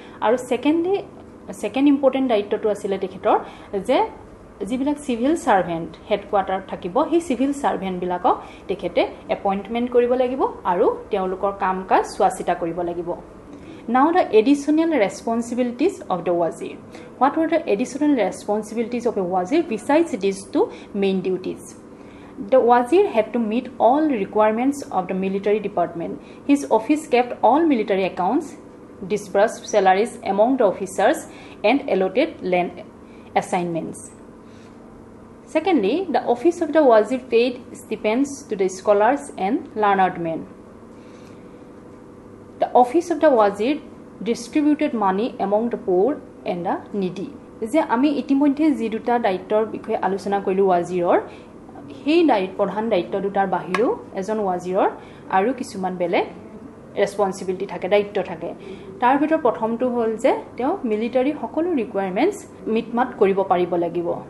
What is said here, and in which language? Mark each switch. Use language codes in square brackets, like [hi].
[as] আৰু second important দায়িত্বটো আছিলে তেখেতৰ যে যিবিলাক চিভিল ছাৰ্ভেণ্ট হেডকোৱাৰ্টাৰত থাকিব, সেই চিভিল ছাৰ্ভেণ্টবিলাকক তেখেতে এপইণ্টমেণ্ট কৰিব লাগিব আৰু তেওঁলোকৰ কাম কাজ চোৱা চিতা কৰিব লাগিব। [en] Now the additional responsibilities of the wazir. What were the additional responsibilities of a wazir besides these two main duties? The wazir had to meet all requirements of the military department. His office kept all military accounts, disbursed salaries among the officers, and allotted land assignments. Secondly, the office of the wazir paid stipends to the scholars and learned men. The office of the wazir distributed money among the poor and the needy. [as] যে আমি ইতিমধ্যে যি দুটা দায়িত্বৰ বিষয়ে আলোচনা কৰিলোঁ ৱাজিৰৰ, সেই দায়িত্ব প্ৰধান দায়িত্ব দুটাৰ বাহিৰেও এজন ৱাজিৰৰ আৰু কিছুমান বেলেগ ৰেছপনচিবিলিটি থাকে, দায়িত্ব থাকে। তাৰ ভিতৰত প্ৰথমটো হ'ল যে তেওঁ মিলিটাৰী সকলো ৰিকুৱাৰমেণ্টছ মিট মাট কৰিব পাৰিব লাগিব।